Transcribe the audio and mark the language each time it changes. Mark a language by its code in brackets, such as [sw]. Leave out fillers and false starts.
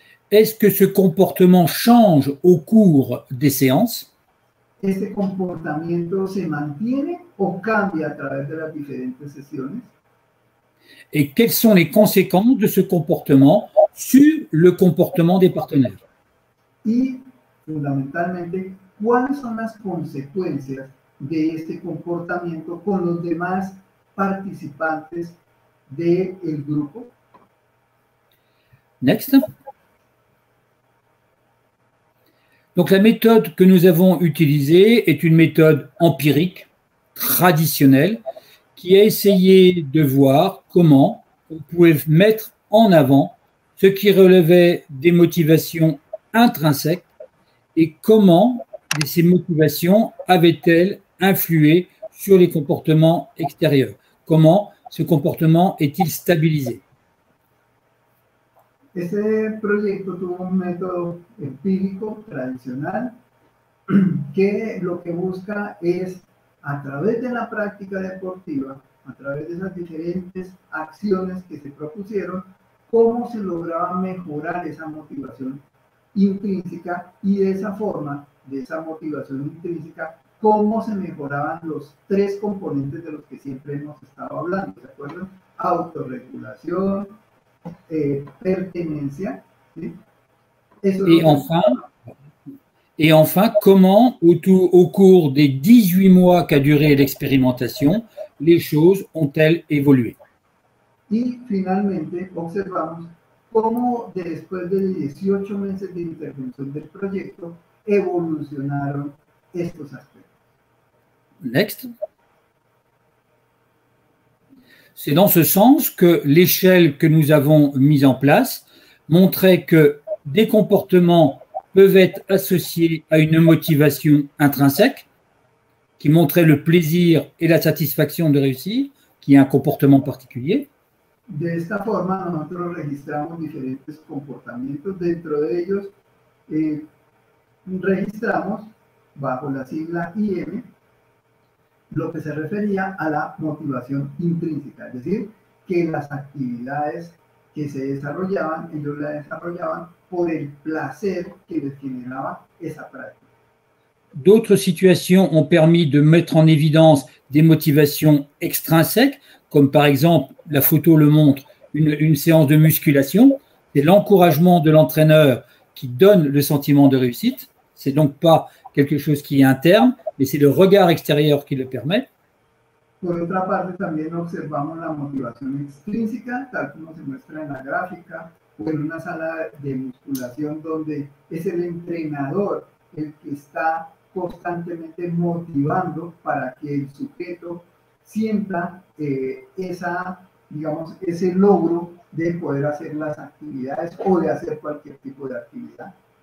[fr] ¿Est-ce que ce comportement change au cours des séances? [es] ¿Este comportamiento se mantiene o cambia a través de las diferentes sesiones? [fr] Et quelles sont les conséquences de ce comportement sur le comportement des partenaires? [es] Y fundamentalmente, ¿cuáles son las consecuencias de este comportamiento con los demás participantes del grupo? [en] Next. [fr] Donc la méthode que nous avons utilisée est une méthode empirique, traditionnelle, qui a essayé de voir comment on pouvait mettre en avant ce qui relevait des motivations intrinsèques et comment ces motivations avaient-elles influé sur les comportements extérieurs. Comment ce comportement est-il stabilisé? [es] Este proyecto tuvo un método empírico tradicional que lo que busca es a través de la práctica deportiva, a través de esas diferentes acciones que se propusieron, cómo se lograba mejorar esa motivación intrínseca y de esa forma, de esa motivación intrínseca, cómo se mejoraban los tres componentes de los que siempre hemos estado hablando, ¿de acuerdo? Autorregulación, pertenencia, ¿sí? Eso y en fin... [fr] Et enfin, comment, au cours des 18 mois qu'a duré l'expérimentation, les choses ont-elles évolué? [es] Y finalmente, observamos cómo después de 18 meses de intervención del proyecto evolucionaron estos aspectos. [en] Next. [fr] C'est dans ce sens que l'échelle que nous avons mise en place montrait que des comportements peuvent être associés à une motivation intrinsèque qui montrait le plaisir et la satisfaction de réussir, qui est un comportement particulier. [es] De esta forma, nosotros registramos diferentes comportamientos. Dentro de ellos, registramos bajo la sigla IM, lo que se refería a la motivación intrínseca, es decir, que las actividades que se desarrollaban, ellos las desarrollaban por el placer que les generaba esa práctica. [fr] D'autres situations ont permis de mettre en évidence des motivations extrinsèques, comme par exemple, la photo le montre, une séance de musculation. C'est l'encouragement de l'entraîneur qui donne le sentiment de réussite. Ce n'est donc pas quelque chose qui est interne, mais c'est le regard extérieur qui le permet. [es] Por otra parte, también observamos la motivación extrínseca, tal como se muestra en la gráfica, o en una sala de musculación donde es el entrenador el que está constantemente motivando para que el sujeto sienta esa, digamos, ese logro de poder hacer las actividades o de hacer cualquier tipo de actividad.